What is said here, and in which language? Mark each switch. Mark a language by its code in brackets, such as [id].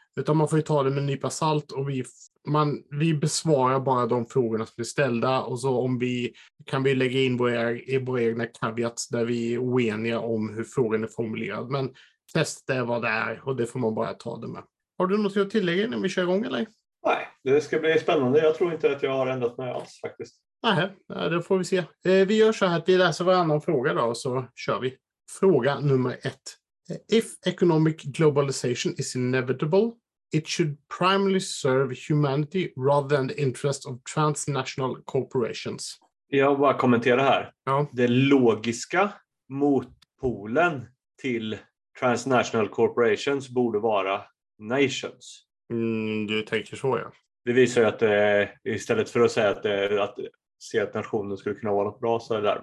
[sv] Utan man får ju ta det med en nypa salt, och vi besvarar bara de frågorna som är ställda, och så kan vi lägga in våra egna caveats där vi är oeniga om hur frågan är formulerad. Men testet är vad det är, och det får man bara ta det med. Har du något att tillägga när vi kör igång eller? Nej, det ska bli spännande. Jag tror inte att jag har ändrat mig alls faktiskt. Nej, då får vi se. Vi gör så här att vi läser varannan fråga då, och så kör vi. Fråga nummer ett. [en] If economic globalization is inevitable, it should primarily serve humanity rather than the interests of transnational corporations. [sv] Jag bara kommentera här. Ja. Det logiska motpolen till [en] transnational corporations [sv] borde vara nations. Du tänker så, ja. Det visar ju att istället för att säga att nationen skulle kunna vara något bra så där.